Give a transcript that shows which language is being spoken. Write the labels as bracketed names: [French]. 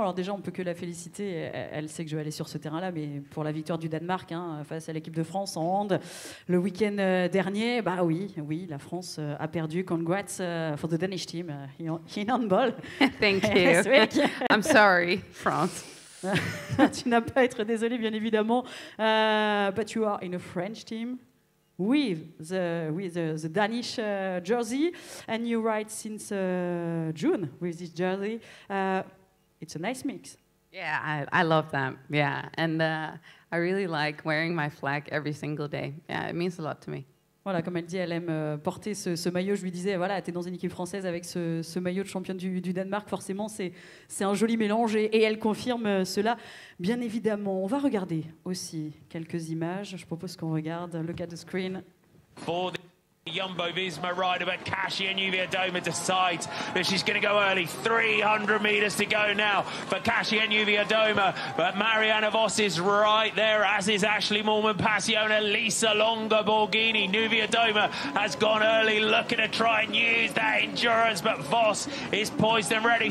[French] Alors déjà, on ne peut que la féliciter. Elle sait que je vais aller sur ce terrain-là, mais pour la victoire du Danemark face à l'équipe de France en hand le week-end dernier, oui, la France a perdu. [English] Congrats for the Danish team in handball. Thank you. I'm sorry, France. [French] Tu n'as pas à être désolée, bien évidemment. [English] But you are in a French team. With the Danish jersey, and you ride since June with this jersey. It's a nice mix. Yeah, I love that. Yeah, and I really like wearing my flag every single day. Yeah, it means a lot to me. [French] Voilà, comme elle dit, elle aime porter ce maillot. Je lui disais, t'es dans une équipe française avec ce maillot de championne du Danemark. Forcément, c'est un joli mélange et elle confirme cela. Bien évidemment, on va regarder aussi quelques images. Je propose qu'on regarde le cadre de screen. Pour les [English] Jumbo Visma rider, but Kashi Enyuviadoma decides that she's going to go early. 300 meters to go now for Kashi Enyuviadoma, but Mariana Voss is right there, as is Ashley Moorman-Passione, Lisa Longa Borghini. Enyuviadoma has gone early, looking to try and use that endurance, but Voss is poised and ready.